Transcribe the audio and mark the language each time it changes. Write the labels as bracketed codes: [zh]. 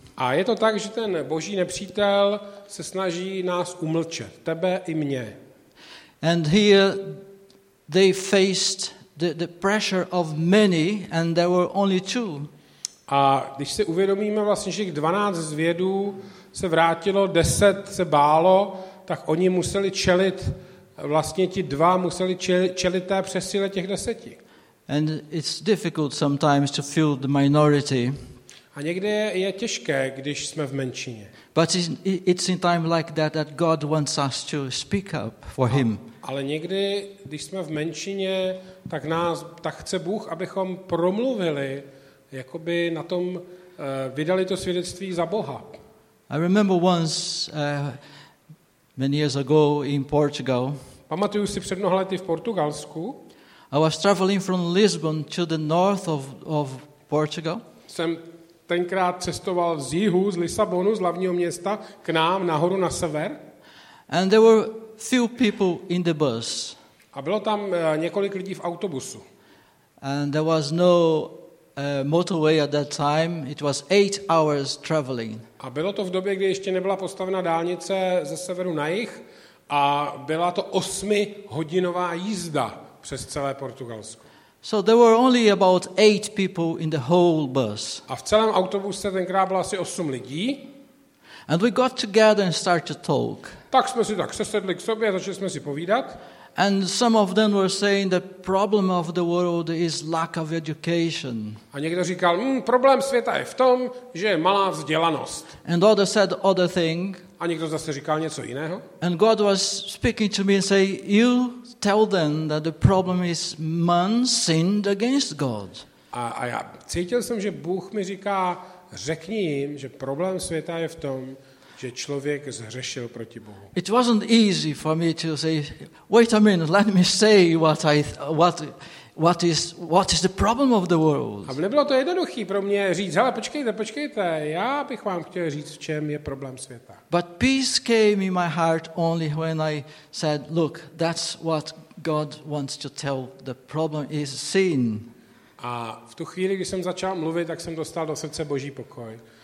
[cs] A je to tak, že ten Boží nepřítel se snaží nás umlčet, tebe i mě. [en] And here they faced the pressure of many and there were only two. [cs] A když si uvědomíme vlastně, že 12 zvědů se vrátilo, 10 se bálo, tak oni museli čelit, vlastně ti dva museli čelit té přesile těch 10. [en] And it's difficult sometimes to feel the minority. [cs] A někdy je těžké, když jsme v menšině. [en] But it's in time like that that God wants us to speak up for him. [cs] Ale někdy, když jsme v menšině, tak chce Bůh, abychom promluvili, jakoby na tom vydali to svědectví za Boha. [en] I remember once many years ago in Portugal. [cs] Pamatuju si před mnoha lety v Portugalsku. [en] I was traveling from Lisbon to the north of Portugal. [cs] Jsem tenkrát cestoval z jihu, z Lisabonu, z hlavního města, k nám nahoru na sever. [en] And there were few people in the bus. [cs] A bylo tam několik lidí v autobusu. [en] And there was no motorway at that time. It was 8 hours traveling. [cs] A bylo to v době, kdy ještě nebyla postavena dálnice ze severu na jih a byla to 8-hodinová jízda přes celé Portugalsko. [en] So there were only about 8 people in the whole bus. [cs] A v celém autobuse tenkrát bylo asi 8 lidí. [en] And we got together and started to talk. [cs] Tak jsme si tak sesedli k sobě a začali jsme si povídat. [en] And some of them were saying the problem of the world is lack of education. [cs] A někdo říkal, problém světa je v tom, že je malá vzdělanost. [en] And others said other thing. [cs] A někdo zase říkal něco jiného. [en] And God was speaking to me and say, you tell them that the problem is man sinned against God. [cs] A já cítil jsem, že Bůh mi říká, řekni jim, že problém světa je v tom, že člověk zhřešil proti Bohu. [en] It wasn't easy for me to say, wait a minute, let me say what is the problem of the world. [cs] A nebylo to jednoduché pro mě říct, hele, počkejte, já bych vám chtěl říct, v čem je problém světa. [en] But peace came in my heart only when I said, look, that's what God wants to tell. The problem is sin. [cs] A v tu chvíli, když jsem začal mluvit, tak jsem dostal do srdce Boží pokoj.